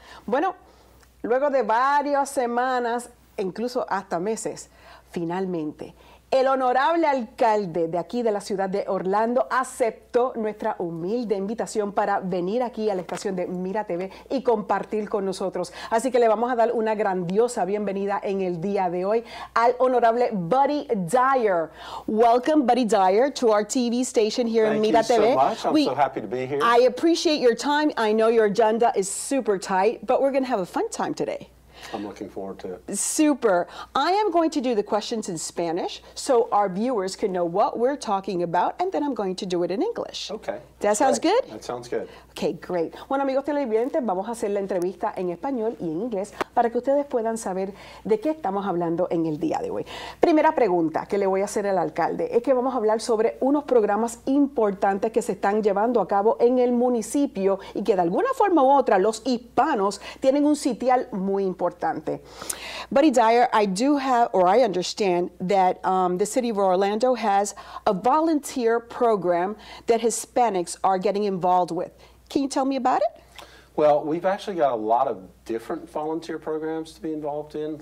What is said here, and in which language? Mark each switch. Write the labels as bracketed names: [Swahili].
[Spanish] Bueno, luego de varias semanas, incluso hasta meses, finalmente, el honorable alcalde de aquí de la ciudad de Orlando aceptó nuestra humilde invitación para venir aquí a la estación de Mira TV y compartir con nosotros. Así que le vamos a dar una grandiosa bienvenida en el día de hoy al honorable Buddy Dyer. [English] Welcome, Buddy Dyer, to our TV station here Thank in Mira you TV. So much. I'm so happy to be here. I appreciate your time. I know your agenda is super tight, but we're going to have a fun time today. I'm looking forward to it. Super. I am going to do the questions in Spanish so our viewers can know what we're talking about, and then I'm going to do it in English. Okay. That sounds good? That sounds good. Okay, great. [Spanish] Bueno, amigos televidentes, vamos a hacer la entrevista en español y en inglés para que ustedes puedan saber de qué estamos hablando en el día de hoy. Primera pregunta que le voy a hacer al alcalde es que vamos a hablar sobre unos programas importantes que se están llevando a cabo en el municipio y que de alguna forma u otra los hispanos tienen un sitial muy importante. [English] Buddy Dyer, I do have, or I understand that the city of Orlando has a volunteer program that Hispanics are getting involved with. Can you tell me about it? Well, we've actually got a lot of different volunteer programs to be involved in.